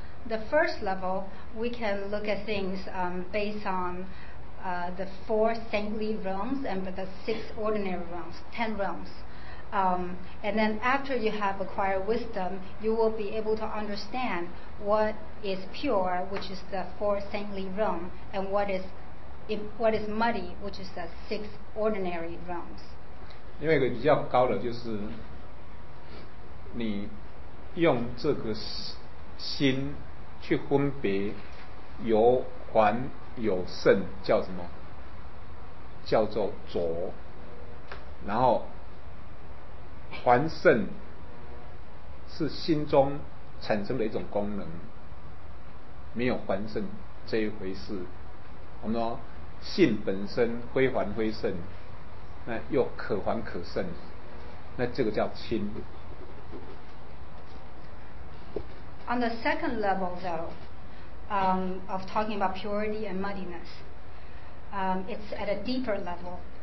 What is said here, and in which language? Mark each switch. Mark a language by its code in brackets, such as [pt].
[en] The first level, we can look at things based on the four saintly realms and the six ordinary realms, ten realms. And then after you have acquired wisdom, you will be able to understand what is pure, which is the four saintly realm, and what is muddy, which is the six ordinary realms. [zh] 另外一个比较高的就是你用这个心去分别有凡有圣叫什么？叫做浊。然后凡圣是心中产生的一种功能，没有凡圣这一回事。我们说性本身非凡非圣，那又可凡可圣，那这个叫清。 [en] On the second level though, of talking about purity and muddiness, it's at a deeper level.